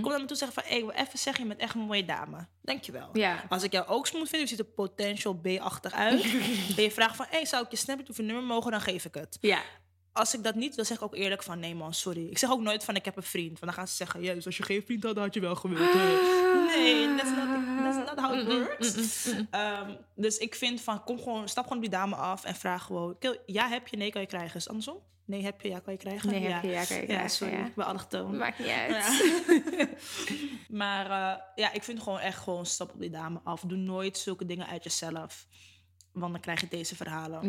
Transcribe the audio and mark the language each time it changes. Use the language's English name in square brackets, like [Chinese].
[Dutch] Kom dan naar me toe zeggen van, hey, ik wil even zeggen, je bent echt een mooie dame. Dankjewel. Ja. Als ik jou ook smooth vind, je ziet er potential B-achtig uit. En je vraagt van, hey, zou ik je snapchat of je nummer mogen, dan geef ik het. Ja. Als ik dat niet wil, zeg ik ook eerlijk van, nee man, sorry. Ik zeg ook nooit van, ik heb een vriend. Want dan gaan ze zeggen, ja, dus als je geen vriend had, dan had je wel gewild. Nee, [English] that's not how it works. [Dutch] Dus ik vind van, kom gewoon, stap gewoon die dame af en vraag gewoon. Ja, heb je, nee, kan je krijgen. Is het andersom? Nee, heb je, ja, kan je krijgen. Nee, ja. Heb je, ja, kan je krijgen. Ja, sorry, ja. Ik ben allochtoon. Maakt niet uit. Ja. Maar ja, ik vind gewoon echt gewoon, stap op die dame af. Doe nooit zulke dingen uit jezelf. Want dan krijg je deze verhalen.